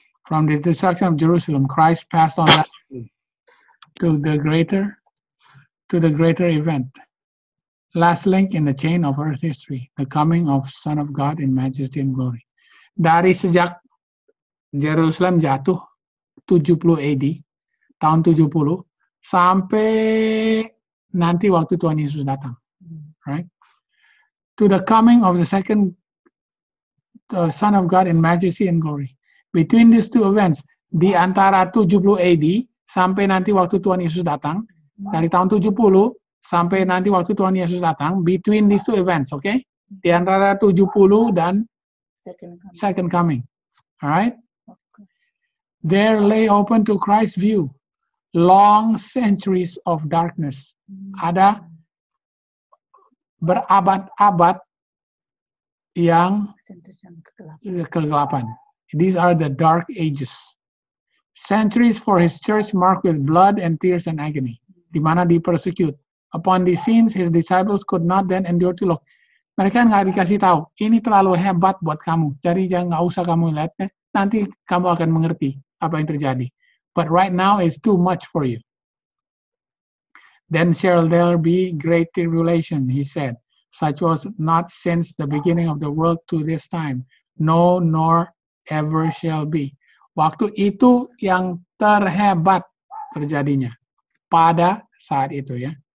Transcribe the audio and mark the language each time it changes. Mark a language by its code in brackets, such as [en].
[en] From the destruction of Jerusalem, Christ passed on to the greater event. Last link in the chain of earth history, the coming of Son of God in majesty and glory. [id] Dari sejak Jerusalem jatuh 70 AD, tahun 70, sampai nanti waktu Tuhan Yesus datang. [en] Right? To the coming of the second Son of God in majesty and glory. Between these two events, [id] di antara 70 AD sampai nanti waktu Tuhan Yesus datang, dari tahun 70 sampai nanti waktu Tuhan Yesus datang, [en] between these two events, okay? [id] Di antara 70 dan second coming. [en] Alright? There lay open to Christ's view long centuries of darkness. [id] Ada berabad-abad yang kegelapan. [en] These are the dark ages. Centuries for his church marked with blood and tears and agony. [id] Di mana di persecute. [en] Upon these scenes, his disciples could not then endure to look. [id] Mereka nggak dikasih tahu. Ini terlalu hebat buat kamu. Jadi jangan nggak usah kamu lihat. Nanti kamu akan mengerti apa yang terjadi. [en] But right now is too much for you. Then shall there be great tribulation, he said, such was not since the beginning of the world to this time, no nor ever shall be. [id] Waktu itu yang terhebat terjadinya pada saat itu, ya.